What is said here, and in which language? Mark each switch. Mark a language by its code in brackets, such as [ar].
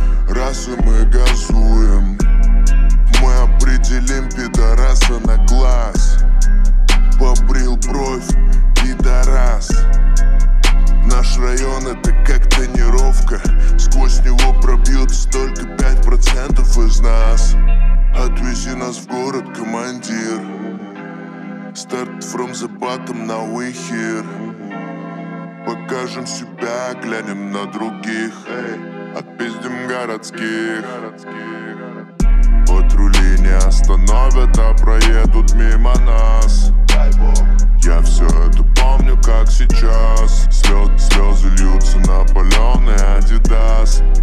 [ru] Раз и мы газуем, мы определим пидораса на глаз. Побрил бровь, пидорас. Наш район это как тренировка. Сквозь него пробьется только 5% из нас. Отвези нас в город, командир. [en] Start from the bottom, now we here. [ru] Покажем себя, глянем на других. Отпиздим городских. Патрули не остановят, а проедут мимо нас. Я все это помню, как сейчас. Слезы льются на паленый Адидас.